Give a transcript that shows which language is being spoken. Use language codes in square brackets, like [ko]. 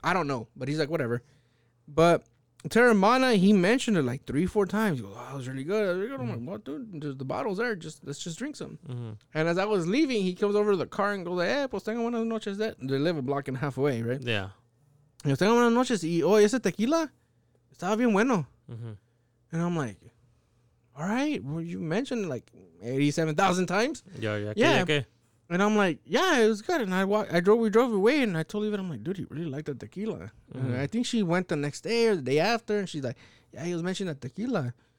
[en] I don't know, but he's like, whatever. But Terramana, he mentioned it like 3-4 times. He goes, oh, that was really good. I was really good. Mm-hmm. I'm like, well, dude, the bottle's there. Just let's just drink some. Mm-hmm. And as I was leaving, he comes over to the car and goes, eh, pues tengo buenas noches. That they live a block and a half away, right? Yeah. [es] He goes, tengo buenas noches. Y oh, ese tequila estaba bien bueno. Mm-hmm. [en] And I'm like, all right, well, you mentioned like 87,000 times. Yeah, okay. And I'm like, yeah, it was good. And we drove away, and I told Eva, I'm like, dude, he really liked the tequila. Mm-hmm. I think she went the next day or the day after, and she's like, yeah, he was mentioning that tequila.